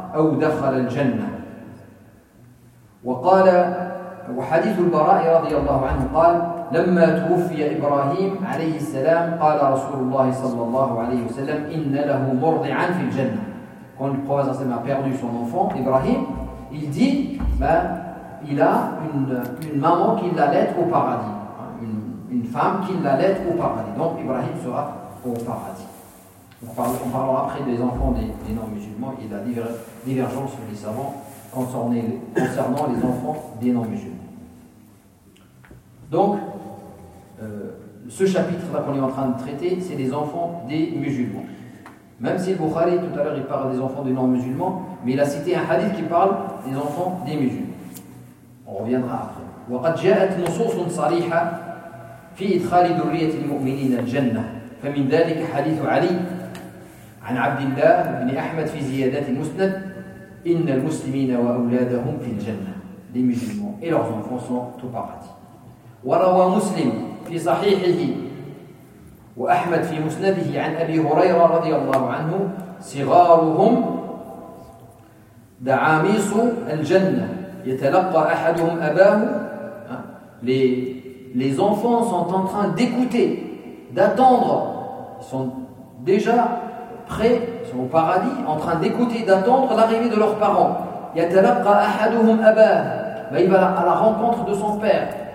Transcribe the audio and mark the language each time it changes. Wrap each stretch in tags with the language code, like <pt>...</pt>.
<ar>أو دخل الجنة وقال وحديث البراء رضي الله عنه قال لما توفي إبراهيم عليه السلام قال رسول الله صلى الله عليه وسلم إن له مرضعا في الجنة</ar> <fr>quand le prophète s'est perdu son enfant Ibrahim, il dit il a une maman qui l'allait au paradis, une femme qui l'allait au paradis. Donc Ibrahim sera au paradis. On parlera après des enfants des non-musulmans et la divergence sur les savants concernant les enfants des non-musulmans. Donc, ce chapitre-là qu'on est en train de traiter, c'est des enfants des musulmans. Même si Bukhari, tout à l'heure, il parle des enfants des non-musulmans, mais il a cité un hadith qui parle des enfants des musulmans. On reviendra après.</fr> <ar>وَقَدْ جَاءَتْ نُصُوصٌ صَرِيحَ فِي إِدْخَالِ ذُرِّيَّةِ الْمُؤْمِنِينَ الْجَنَّةِ فَمِنْ ذَلِكَ حَدِيثُ عَلِيٍّ عن عبد الله بن أحمد في زيادات المسند إن المسلمين وأولادهم في الجنة للمسلمين إلى أنفسهم تبعتي وروى مسلم في صحيحه وأحمد في مسنده عن أبي هريرة رضي الله عنه صغارهم دعاميص الجنة يتلقى أحدهم أباه.</ar> <fr>Les enfants sont en train d'écouter, d'attendre, ils sont déjà prêts, ils sont au paradis, en train d'écouter, d'attendre l'arrivée de leurs parents.</fr> <ar>يَتَلَقَّ أَحَدُهُمْ أَبَاهُ</ar> <fr>Il va à la rencontre de son père.</fr>